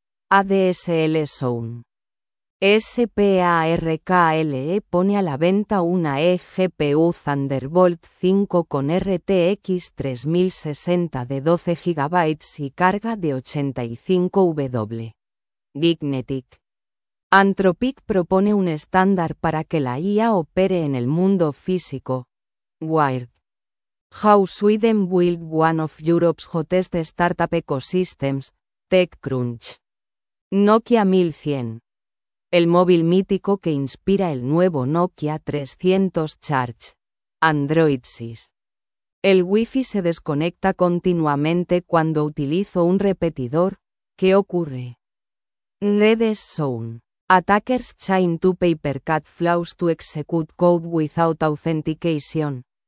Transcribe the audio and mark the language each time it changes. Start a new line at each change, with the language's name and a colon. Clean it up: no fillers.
Spanish: ADSL Zone. SPARKLE pone a la venta una eGPU Thunderbolt 5 con RTX 3060 de 12 GB y carga de 85 W. Dignetic. Anthropic propone un estándar para que la IA opere en el mundo físico. Wired.
English: How Sweden built one of Europe's hottest startup ecosystems, TechCrunch. Nokia 1100.
Spanish: El móvil mítico que inspira el nuevo Nokia 300 Charge. Android 6. El Wi-Fi se desconecta continuamente cuando utilizo un repetidor. ¿Qué ocurre?
English: Redes Zone. Attackers trying to papercut flaws to execute code without authentication.